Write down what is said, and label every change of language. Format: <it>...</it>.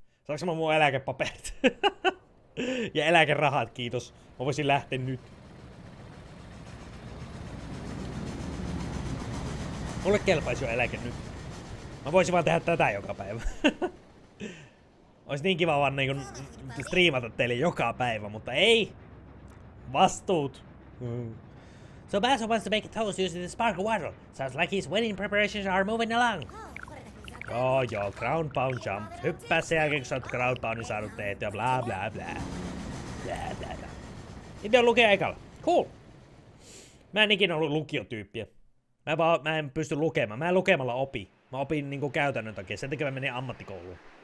<fi>Saanko mä mun eläkepaperit? Ja eläkerahat, kiitos. Mä voisin lähteä nyt. Mulle kelpaisi jo eläke nyt. Mä voisin vaan tehdä tätä joka päivä. Ois niin kiva vaan niinku striimata teille joka päivä, mutta ei! Vastuut!</fi> <en>So Basil wants to make a toast using the spark water. Sounds like his wedding preparations are moving along.</en> <fi>Joo joo, ground pound jump. Hyppää sen jälkeen, kun sä oot ground poundin saanut tehtyä ja blaa blaa blaa. Blaa blaa blaa. Niin vielä lukee ekalla.</fi> <en>Cool!</en> <fi>Mä en ikinä ollut lukiotyyppiä. Mä en pysty lukemaan. Mä en lukemalla opi. Mä opin niinku käytännön takia. Sen takia mä menin ammattikouluun.</fi>